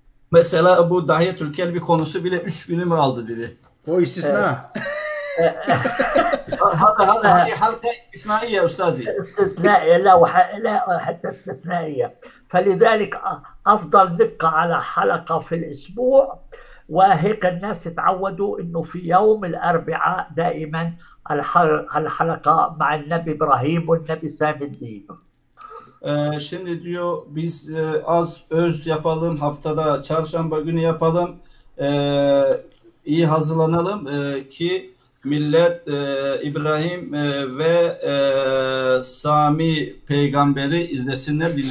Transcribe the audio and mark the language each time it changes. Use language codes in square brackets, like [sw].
[tr] Mesela bu Dahiyetül Kelbi konusu bile 3 günümü aldı dedi. O istisna. [ar] هذه حلقة استثنائية أستاذي. استثنائية، لا حتى استثنائية، فلذلك أفضل نبقى على حلقة في الأسبوع، وهيك الناس اتعودوا إنه في يوم الأربعاء دائما الحلقة مع النبي إبراهيم والنبي سامي الدين. [tr] Şimdi diyor biz az öz yapalım, haftada çarşamba günü yapalım, iyi hazırlanalım, ki millet İbrahim ve Sami peygamberi izlesinler,